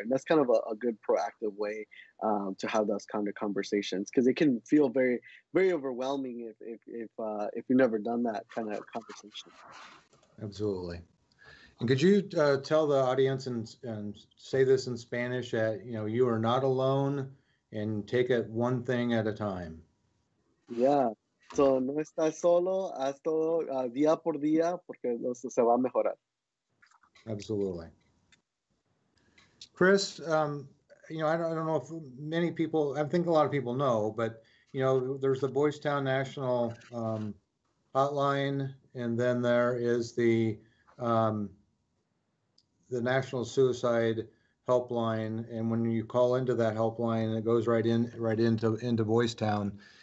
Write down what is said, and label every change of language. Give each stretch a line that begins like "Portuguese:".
English: And that's kind of a good proactive way to have those kind of conversations, because it can feel very, very overwhelming if you've never done that kind of conversation. Absolutely. And could you tell the audience and say this in Spanish that, you are not alone, and take it one thing at a time? Yeah.
Spanish: So, no estás solo, haz todo día por día, porque eso se va a mejorar.
English: Absolutely. Chris, I don't know if many people, I think a lot of people know, but, there's the Boys Town National hotline, and then there is the National Suicide Helpline, and when you call into that helpline, it goes right into Boys Town.